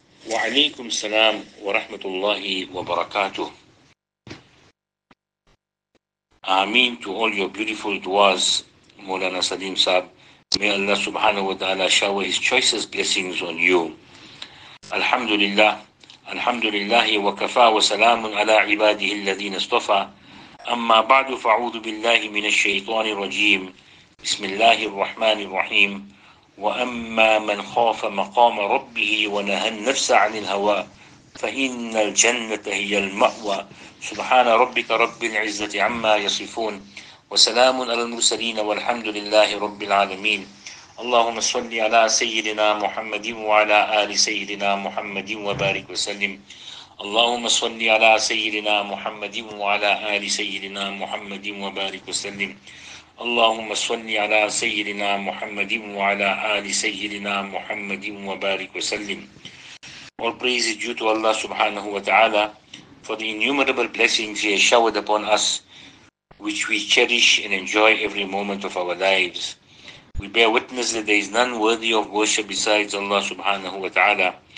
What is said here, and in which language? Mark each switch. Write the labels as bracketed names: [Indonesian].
[Arabic] وعليكم السلام ورحمة الله وبركاته. [English] آمين to all your beautiful duas, مولانا سليم صاحب. May Allah subhanahu wa ta'ala shower his choicest blessings on you. [Arabic] الحمد لله الحمد لله وكفى وسلام على عباده الذين اصطفى. أما بعد فأعوذ بالله من الشيطان الرجيم. بسم الله الرحمن الرحيم. وأما من خاف مقام ربه ونهى النفس عن الهوى فإن الجنة هي المأوى. سبحان ربك رب العزة عما يصفون وسلام على المرسلين والحمد لله رب العالمين. اللهم صل على سيدنا محمد وعلى آل سيدنا محمد وبارك وسلم. اللهم صل على سيدنا محمد وعلى آل سيدنا محمد وبارك وسلم. اللهم صل على سيدنا محمد وعلى آل سيدنا محمد وبارك وسلم. [English] All praise is due to Allah subhanahu wa ta'ala for the innumerable blessings He has showered upon us, which we cherish and enjoy every moment of our lives. We bear witness that there is none worthy of worship besides Allah subhanahu wa ta'ala.